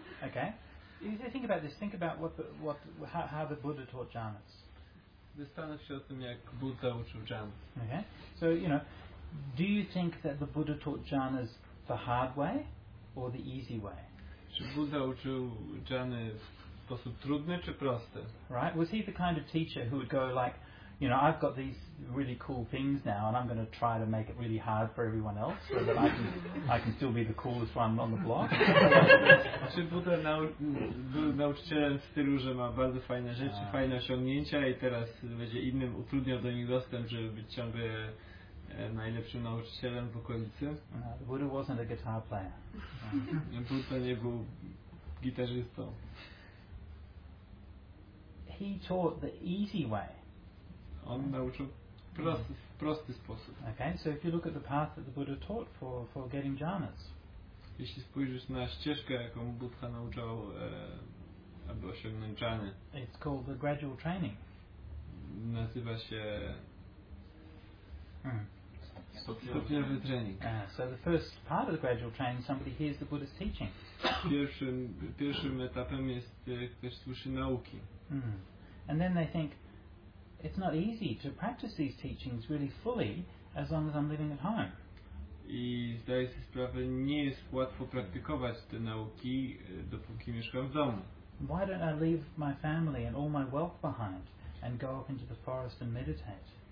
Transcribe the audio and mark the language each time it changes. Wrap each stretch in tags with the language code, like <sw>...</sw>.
<en>Okay. If you think about this, think about how the Buddha taught jhanas.</en> <pl>Wystarczy się o tym, jak Buddha uczył jhanas.</pl> <en>Okay. So, you know, do you think that the Buddha taught jhanas the hard way or the easy way?</en> <pl>Czy Buddha uczył jhanas w sposób trudny czy prosty?</pl> <en>Right? Was he the kind of teacher who would go like, you know, I've got these really cool things now and I'm going to try to make it really hard for everyone else so that I can still be the coolest one on the block?</en> <pl>Czy Buddha był nauczycielem w stylu, że ma bardzo fajne rzeczy, fajne osiągnięcia i teraz będzie innym utrudniał do nich dostęp, żeby być ciągle najlepszym nauczycielem w okolicy?</pl> <en>No, Buddha wasn't a guitar player.</en> <pl>Buddha nie był gitarzystą.</pl> <en>He taught the easy way.</en> <pl>On nauczył prosty sposób.</pl> <en>Okay, so if you look at the path that the Buddha taught for getting jhanas.</en> <pl>Jeśli spojrzysz na ścieżkę, jaką Buddha nauczał, aby osiągnąć jhany.</pl> <en>It's called the gradual training.</en> <pl>Nazywa się</pl> <en>second.</en> <pl>Stopniowy trening.</pl> <en>So the first part of the gradual training, somebody hears the Buddha's teaching.</en> <pl>Pierwszym etapem jest, ktoś słyszy nauki.</pl> <en>And then they think, it's not easy to practice these teachings really fully as long as I'm living at home.</en> <pl>I zdaję sobie sprawę, nie jest łatwo praktykować te nauki, dopóki mieszkam w domu.</pl> <en>Why don't I leave my family and all my wealth behind and go up into the forest and meditate?</en>